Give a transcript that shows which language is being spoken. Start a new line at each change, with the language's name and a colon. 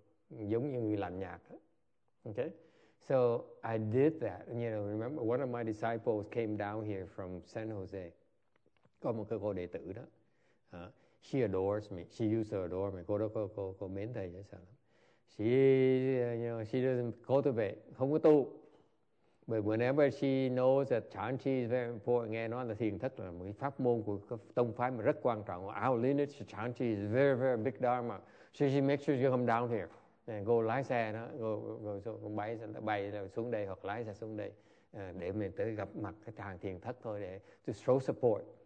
Vietnamese: Giống như người lạnh nhạt, okay?
English: So I did that. You know, remember one of my disciples came down here from San Jose.
Vietnamese: Có một cái cô đệ tử đó.
English: She adores me. She used to adore me.
Vietnamese: Cô mến thầy dễ sợ lắm.
English: She, you know, she doesn't cultivate,
Vietnamese: không có tu.
English: But whenever she knows that Chan Chi is very important,
Vietnamese: nghe nói là thiền thất là một cái pháp môn của tông phái mà rất quan trọng.
English: Our lineage of Chan Chi is very, very big dharma. So she makes sure you come down here.
Vietnamese: And go lái xe đó, go bay xuống đây hoặc lái xe xuống đây để mình tới gặp mặt cái tràng thiền thất thôi để
English: to show support.